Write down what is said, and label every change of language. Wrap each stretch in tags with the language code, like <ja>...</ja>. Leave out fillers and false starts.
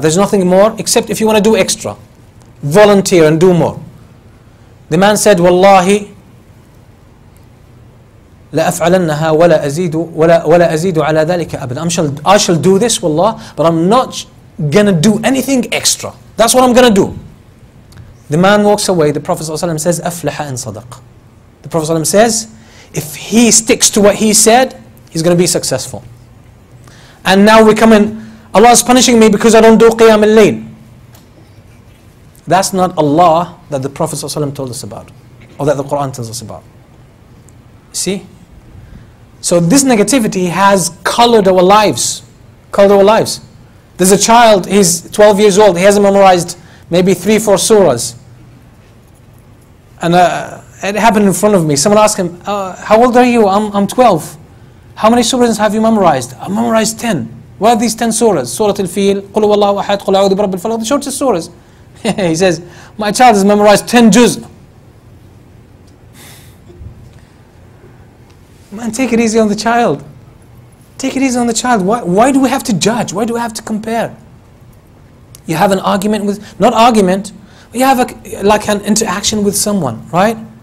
<en>There's nothing more except if you want to do extra. Volunteer and do more. The man said,</en> <ar>وَاللَّهِ لَأَفْعَلَنَّهَا وَلَا أَزِيدُ عَلَىٰ ذَلِكَ أَبْدًا.</ar> <en>I shall do this, wallah, but I'm not going to do anything extra. That's what I'm going to do. The man walks away. The Prophet ﷺ says,</en> <ar>أَفْلَحَ إِن صَدَقَ.</ar> <en>The Prophet ﷺ says, if he sticks to what he said, he's going to be successful. And now we come in. Allah is punishing me because I don't do Qiyam al-Layl. That's not Allah that the Prophet ﷺ told us about, or that the Quran tells us about. See? So this negativity has colored our lives. Colored our lives. There's a child, he's 12 years old, he hasn't memorized maybe 3-4 surahs. And it happened in front of me. Someone asked him, how old are you? I'm 12. How many surahs have you memorized? I memorized 10. What are these 10 surahs?</en> <ar>Surah Al-Fil, قُلْ هُوَ اللَّهُ أَحَدٌ قُلْ أَعُوذُ بِرَبِّ الْفَلَقِ.</ar> <en>The shortest surahs. He says, my child has memorized 10 juz. Man, take it easy on the child. Take it easy on the child. Why do we have to judge? Why do we have to compare? You have an argument with, not argument, you have an interaction with someone, right?</en>